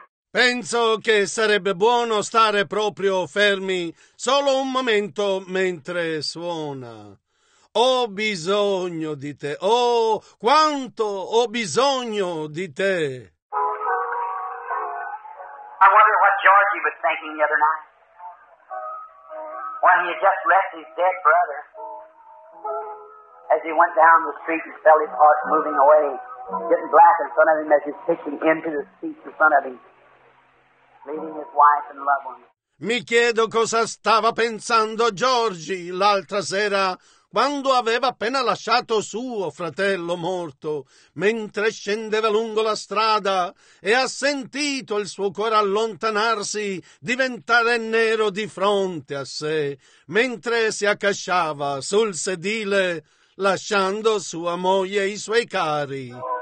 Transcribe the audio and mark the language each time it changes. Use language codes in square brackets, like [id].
[it] Penso che sarebbe buono stare proprio fermi solo un momento mentre suona. Ho bisogno di te. Oh, quanto ho bisogno di te. [en] I wonder what Georgie was thinking the other night. When he had just left his dead brother, as he went down the street and felt his heart moving away, getting black in front of him as he's pitching into the seats in front of him, leaving his wife and loved ones. [it] Mi chiedo cosa stava pensando Georgie l'altra sera quando aveva appena lasciato suo fratello morto, mentre scendeva lungo la strada e ha sentito il suo cuore allontanarsi, diventare nero di fronte a sé, mentre si accasciava sul sedile, lasciando sua moglie e i suoi cari.